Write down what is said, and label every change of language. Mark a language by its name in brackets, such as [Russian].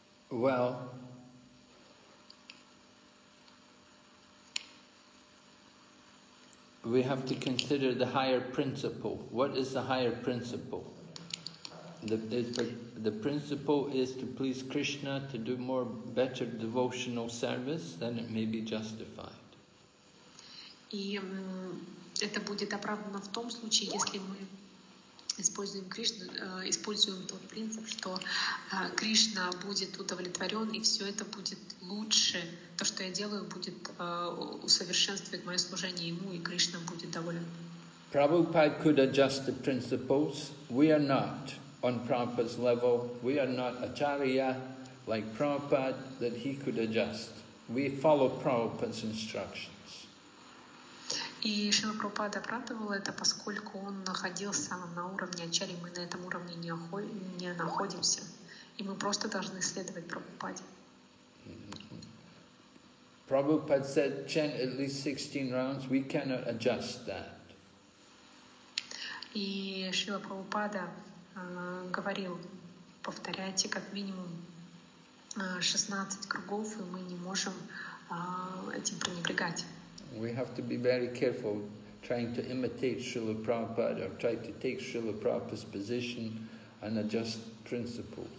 [English] Well, we have to consider the higher principle. What is the higher principle? The principle is to please Krishna, to do more better devotional service, then it may be justified. [Russian] И это будет оправдано в том случае, если мы используем Кришну, используем тот принцип, что Кришна будет удовлетворен, и все это будет лучше. То, что я делаю, будет усовершенствовать мое служение ему, и Кришна будет доволен. [English] Prabhupada could adjust the principles. We are not on Prabhupada's level. We are not acharya like Prabhupada that he could adjust. We follow Prabhupada's instructions. [Russian] И Шрила Прабхупада оправдывал это, поскольку он находился на уровне ачарьи, мы на этом уровне не находимся, и мы просто должны следовать Прабхупаде. [English] Prabhupada said, chant at least 16 rounds, we cannot adjust that. [Russian] И Шрила Прабхупада говорил, повторяйте как минимум 16 кругов, и мы не можем этим пренебрегать. [English] We have to be very careful trying to imitate Srila Prabhupada or try to take Srila Prabhupada's position and adjust principles.